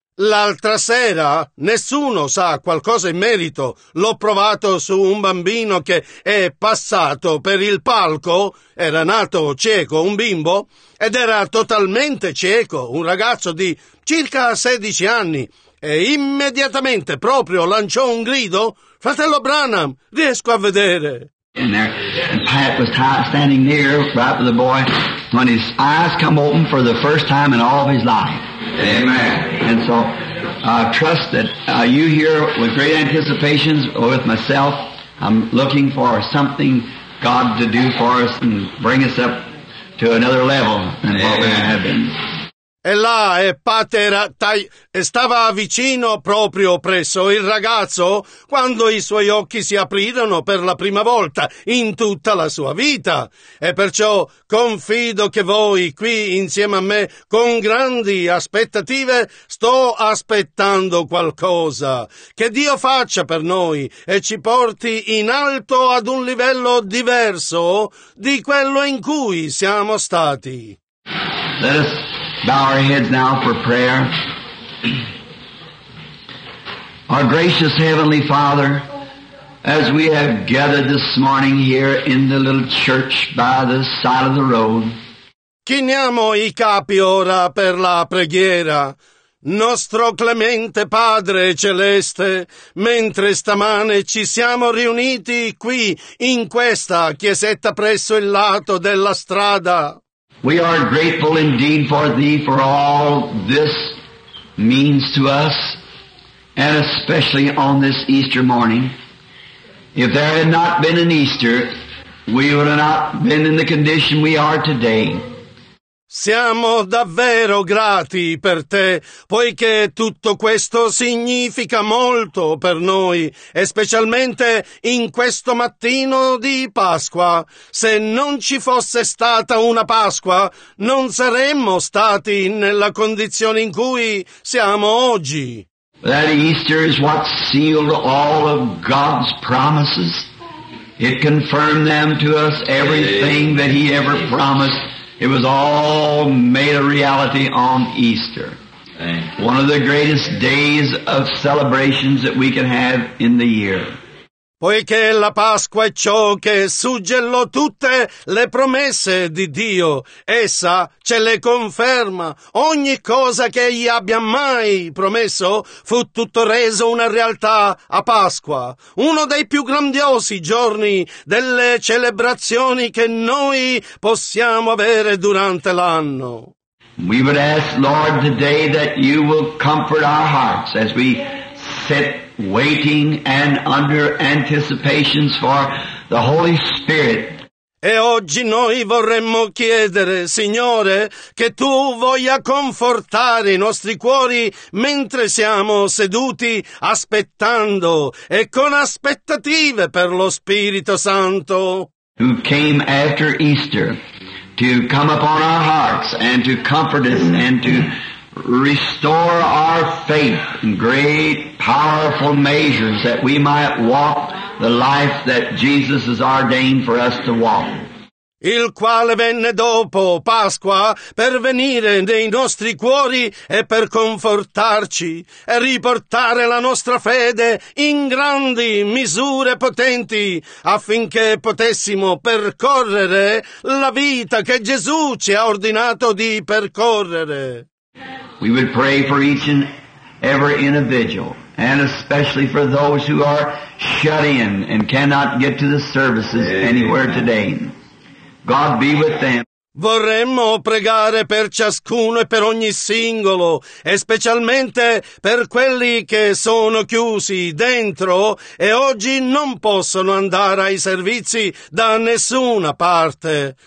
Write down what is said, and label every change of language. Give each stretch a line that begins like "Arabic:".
Italian: L'altra sera nessuno sa qualcosa in merito. L'ho provato su un bambino che è passato per il palco. Era nato cieco, un bimbo, ed era totalmente cieco, un ragazzo di circa 16 anni. E immediatamente proprio lanciò un grido: Fratello Branham, riesco a vedere.
English: And Pat was standing near, right with the boy, when his eyes come open for the first time in all of his life. Amen. And so I trust that you hear with great anticipations, or with myself, I'm looking for something God to do for us and bring us up to another level than Amen. What we have been.
Italian: E là, e Pat era, e stava vicino proprio presso il ragazzo quando i suoi occhi si aprirono per la prima volta in tutta la sua vita. E perciò confido che voi qui insieme a me, con grandi aspettative, sto aspettando qualcosa che Dio faccia per noi e ci porti in alto ad un livello diverso di quello in cui siamo stati.
English: Bow our heads now for prayer. Our gracious Heavenly Father, as we have gathered this morning here in the little church by the side of the road.
Italian: Chiniamo i capi ora per la preghiera. Nostro clemente Padre Celeste, mentre stamane ci siamo riuniti qui in questa chiesetta presso il lato della strada.
English: We are grateful indeed for thee for all this means to us, and especially on this Easter morning. If there had not been an Easter, we would have not been in the condition we are today.
Italian: Siamo davvero grati per te, poiché tutto questo significa molto per noi, specialmente in questo mattino di Pasqua. Se non ci fosse stata una Pasqua, non saremmo stati nella condizione in cui siamo oggi.
English: That Easter is what sealed all of God's promises. It confirmed them to us, everything that He ever promised. It was all made a reality on Easter. One of the greatest days of celebrations that we can have in the year.
Italian: Poiché la Pasqua è ciò che suggellò tutte le promesse di Dio, essa ce le conferma. Ogni cosa che Egli abbia mai promesso fu tutto reso una realtà a Pasqua, uno dei più grandiosi giorni delle celebrazioni che noi possiamo avere durante l'anno.
English: We would ask, Lord, today that You will comfort our hearts as we sit waiting and under anticipations for the Holy Spirit.
Italian: E oggi noi vorremmo chiedere, Signore, che Tu voglia confortare i nostri cuori mentre siamo seduti aspettando e con aspettative per lo Spirito Santo.
English: Who came after Easter to come upon our hearts and to comfort us and to restore our faith in great, powerful measures that we might walk the life that Jesus has ordained for us to walk.
Italian: Il quale venne dopo Pasqua per venire nei nostri cuori e per confortarci e riportare la nostra fede in grandi misure potenti affinché potessimo percorrere la vita che Gesù ci ha ordinato di percorrere.
English: We would pray for each and every individual, and especially for those who are shut in and cannot get to the services anywhere today. God be with them.
Italian: Vorremmo pregare per ciascuno e per ogni singolo, e specialmente per quelli che sono chiusi dentro e oggi non possono andare ai servizi da nessuna parte.